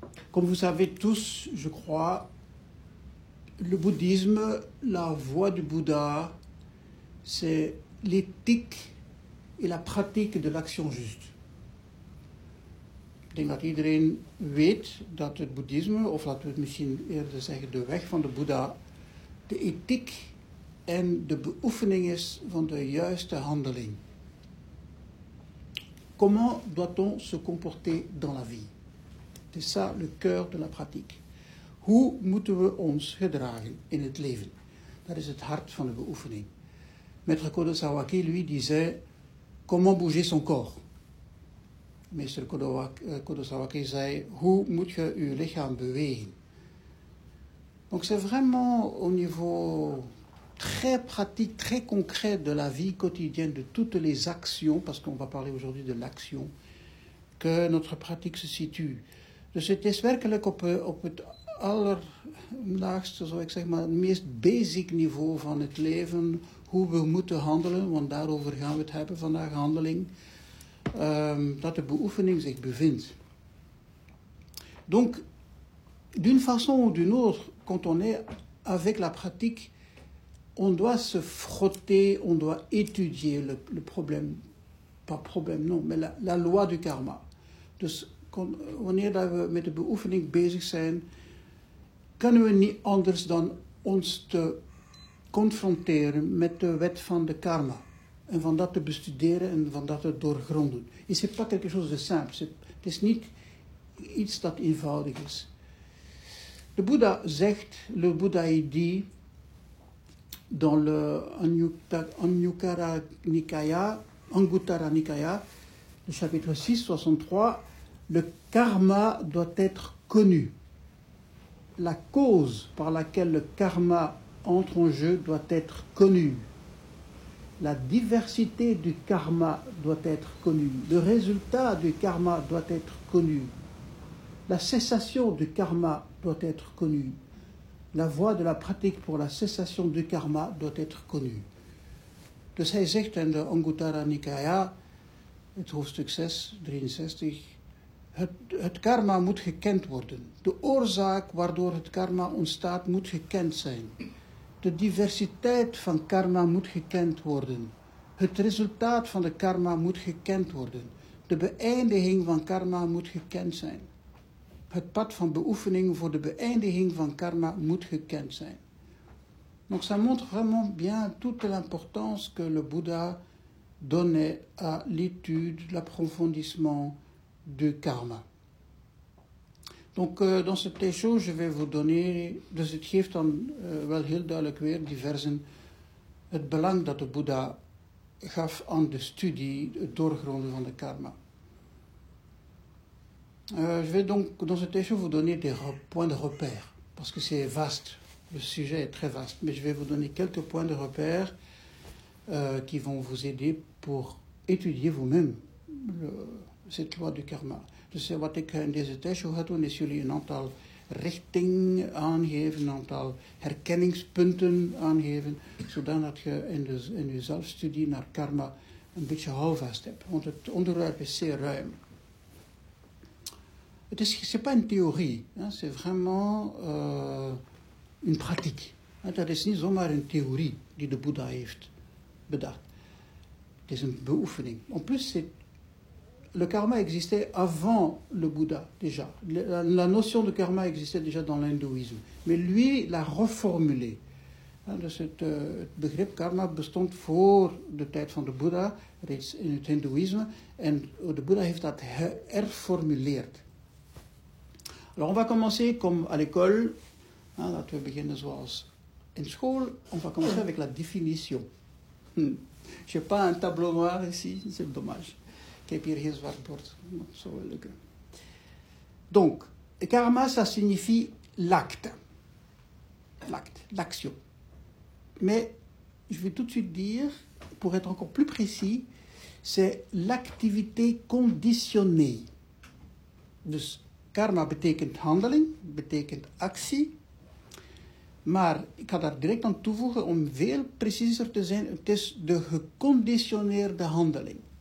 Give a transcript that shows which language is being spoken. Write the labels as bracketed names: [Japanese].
[French] Comme vous savez tous, je crois, le bouddhisme, la voie du Bouddha, c'est l'éthique et la pratique de l'action juste. [Dutch] Ik denk dat iedereen weet dat het boeddhisme, of laten we het misschien eerder zeggen, de weg van de Boeddha, de ethiek en de beoefening is van de juiste handeling. [French] Comment doit-on se comporter dans la vie? C'est ça le cœur de la pratique. [Dutch] Hoe moeten we ons gedragen in het leven? Dat is het hart van de beoefening. [French] Maître Kodosawaki, lui, disait: comment bouger son corps? [Dutch] Meester Kodosawaki zei: hoe moet je je lichaam bewegen? [French] Donc c'est vraiment au niveau très pratique, très concret de la vie quotidienne, de toutes les actions, parce qu'on va parler aujourd'hui de l'action, que notre pratique se situe. [Dutch] Dus het is werkelijk op het allerlaagste, zou ik zeggen, maar het meest basic niveau van het leven, hoe we moeten handelen, want daarover gaan we het hebben vandaag, handeling. Dat de beoefening zich bevindt. [French] Donc, d'une façon ou d'une autre, quand on est avec la pratique, on doit se frotter, on doit étudier le problème, pas problème, non, mais la loi du karma. [Dutch] Dus wanneer we met de beoefening bezig zijn, kunnen we niet anders dan ons te confronteren met de wet van de karma. En van dat te bestuderen en van dat te doorgronden. Is het pas [French] quelque chose de simple? [Dutch] Het is niet iets dat eenvoudig is. De Boeddha zegt, [French] le Bouddha il dit, dans le Anguttara Nikaya, Anguttara Nikaya, le chapitre 6, 63, le karma doit être connu. La cause par laquelle le karma entre en jeu doit être connue. La diversité du karma doit être connue. Le résultat du karma doit être connu. La cessation du karma doit être connue. La voie de la pratique pour la cessation du karma doit être connue. [Dutch] Dus hij zegt in de Anguttara Nikaya, het hoofdstuk 6, 63, het karma moet gekend worden. De oorzaak waardoor het karma ontstaat moet gekend zijn. De diversiteit van karma moet gekend worden. Het resultaat van de karma moet gekend worden. De beëindiging van karma moet gekend zijn. Het pad van beoefening voor de beëindiging van karma moet gekend zijn. [French] Donc ça montre vraiment bien toute l'importance que le Bouddha donnait à l'étude, l'approfondissement du karma. Donc dans cette échange, je vais vous donner, [Dutch] dus het geeft dan wel heel duidelijk weer die versen, het belang dat de Boeddha gaf aan de studie, het doorgronden van de karma. [French] Je vais donc dans cette échange vous donner des points de repère, parce que c'est vaste, le sujet est très vaste, mais je vais vous donner quelques points de repère qui vont vous aider pour étudier vous-même cette loi du karma. [Dutch] Dus wat ik in deze tijdshow ga doen, is jullie een aantal richting aangeven, een aantal herkenningspunten aangeven, zodat je in je zelfstudie naar karma een beetje houvast hebt. Want het onderwerp is zeer ruim. Het is niet een theorie, het is vraiment een praktijk. Dat is niet zomaar een theorie die de Boeddha heeft bedacht. Het is een beoefening. [French] En plus, c'est le karma existait avant le Bouddha, déjà. La notion de karma existait déjà dans l'hindouïsme. Mais lui l'a reformulé. [Dutch] Het begrip karma bestond voor de tijd van de Bouddha, reeds in het hindoeïsme. En de Bouddha heeft dat herformuleerd. [French] Alors, on va commencer comme à l'école. [Dutch] Laten we beginnen zoals in school. [French] On va commencer avec la définition. Je n'ai pas un tableau noir ici, c'est dommage. [Dutch] Ik heb hier geen zwart bord, maar het zou wel lukken. [French] Donc, Karma, ça signifie l'acte. L'acte, l'action. Mais je vais tout de suite dire, pour être encore plus précis, c'est l'activité conditionnée. [Dutch] Dus karma betekent handeling, betekent actie. Maar ik ga daar direct aan toevoegen om veel preciezer te zijn. Het is de geconditioneerde handeling.